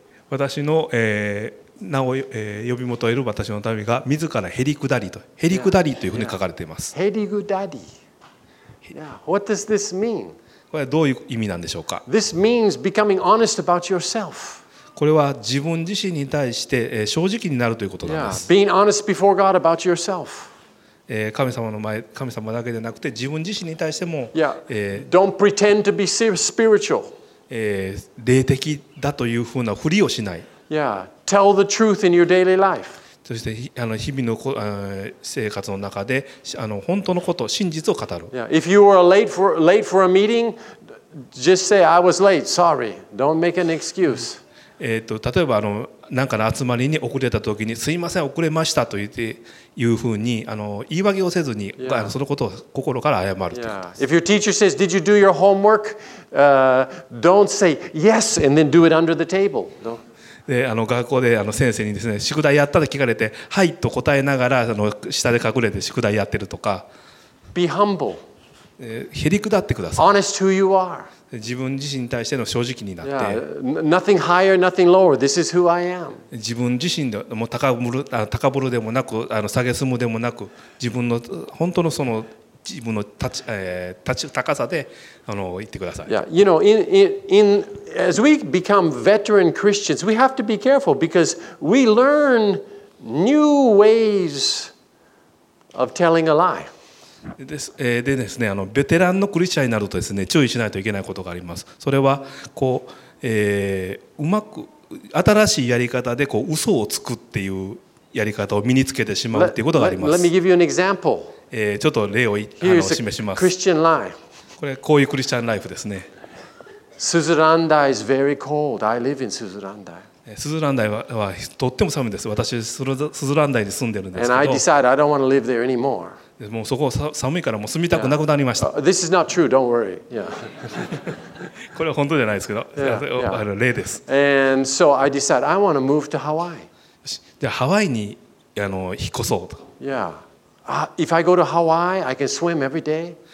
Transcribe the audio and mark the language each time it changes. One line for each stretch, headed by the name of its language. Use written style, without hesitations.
Japanese: 私の名を呼び求める私の民が自らへりくだりと、へりくだりというふうに書かれています。
English: へりくだり。Yeah. What does this mean?
Japanese: これはどういう意味なんでしょうか。
English: This means becoming honest about yourself.
Japanese: これは自分自身に対して正直になるということなんです。
English: Yeah. Being honest before God about yourself.
Japanese: 神様の前、神様だけでなくて自分自身に対しても、
English: Yeah. Don't pretend to be spiritual.
Japanese: 霊的だというふうなふりをしない。
English: Yeah. Tell the truth in your daily life.
Japanese: そして日々の生活の中で本当のこと、真実を語る。
English: Yeah. If you were late for a meeting, just say, "I was late. Sorry. Don't make an excuse."
Japanese: 例えば何かの集まりに遅れた時にすいません遅れましたと言っていうふうに言い訳をせずに、yeah. そのことを心から謝るということです。
English: Yeah. If your teacher says, did you do your homework? Don't say yes and then do it under the table. No.
Japanese: で学校で先生にですね宿題やったと聞かれてはいと答えながら下で隠れて宿題やってるとか
English: Be humble.
Japanese: へりくだってください
English: Honest who you are.
Japanese: 自分自身に対しての正直になって、
English: yeah. Nothing higher, nothing lower. This is who I am.
Japanese: 自分自身でも高ぶるでもなく下げすむでもなく自分の本当のその自分の高さで言ってください。
English: Yeah, you know, in as we become veteran Christians, we have to be careful because we learn new ways of telling a lie.
Japanese: でですね、ベテランのクリスチャーになるとですね、注意しないといけないことがあります。それはこう、うまく新しいやり方でこう嘘をつくっていうやり方を身につけてしまうっていうことがあります。
English: Let me give you an example.
Japanese: ちょっと例を示します。
English: Christian life.
Japanese: これこういうクリスチャンライフですね。
English: スズランダイ is very cold. I live in Suzurandai.
Japanese: スズランダイはとっても寒いです。私スズランダイに住んでるんですけど。
English: And I decide I don't want to live there anymore.
Japanese: もうそこ寒いからもう住みたくなくなりました。
English: Yeah. This is not true. Don't worry. Yeah.
Japanese: これは本当じゃないですけど、yeah. 例です。
English: And so I decide I want to move to Hawaii.
Japanese: じゃあハワイに引っ越そうと。
English: Yeah. If I go to Hawaii, I can swim every day.